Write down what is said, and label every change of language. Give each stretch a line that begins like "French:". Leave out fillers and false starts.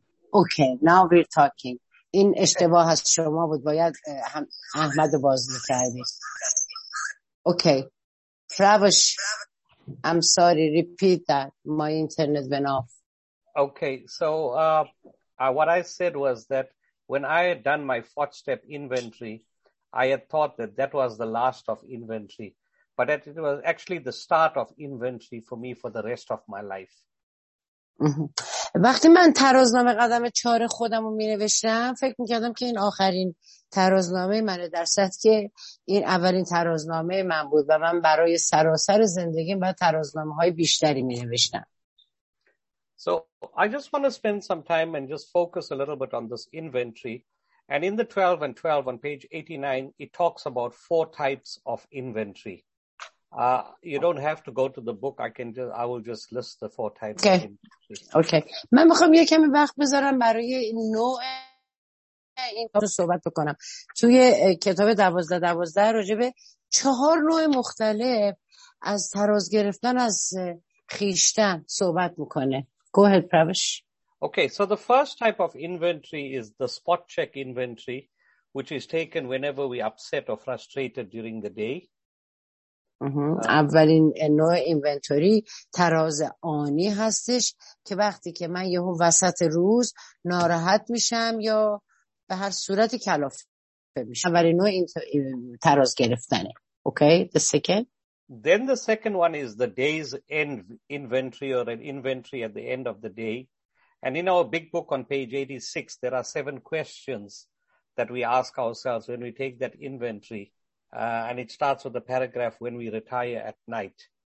English: Okay now we talking.
Persian: این اشتباه از شما بود، باید احمد رو باز می‌کردید.
English: Okay فراوش um sorry repeat that my internet went off. Okay so what I said was that when I had done my fourth step inventory, I had thought that that was the last of inventory, but that it was actually the start of inventory for me for the rest of my life.
Persian: وقتی من ترازنامه قدم چهار خودم رو می نوشتم، فکر می کردم که این آخرین ترازنامه منه، در صد که این اولین ترازنامه من بود و من برای سراسر زندگیم باید ترازنامه های بیشتری می نوشتم.
English: So I just want to spend some time and just focus a little bit on this inventory. And in the 12 and 12 on page 89, it talks about four types of inventory. You don't have to go to the book. I will just list the four types. Okay. Okay.
Persian: من میخوام یه کمی وقت بذارم برای نوع این رو صحبت بکنم. توی کتاب 12-12 راجع به چهار نوع مختلف از تراز گرفتن از خیشتن صحبت میکنه.
English: Go ahead, Pravish. Okay, so the first type of inventory is the spot check inventory, which is taken whenever we upset or frustrated during the day.
Persian: اولین نوع اینونتوری تراز آنی هستش که وقتی که من یهو وسط روز ناراحت میشم یا به هر صورتی کلافه میشم. اولین نوع تراز گرفتنه.
English: Okay, the second. Then the second one is the day's end inventory or an inventory at the end of the day. And in our big book on page 86, there are seven questions that we ask ourselves when we take that inventory. And it starts with the paragraph when we retire at night.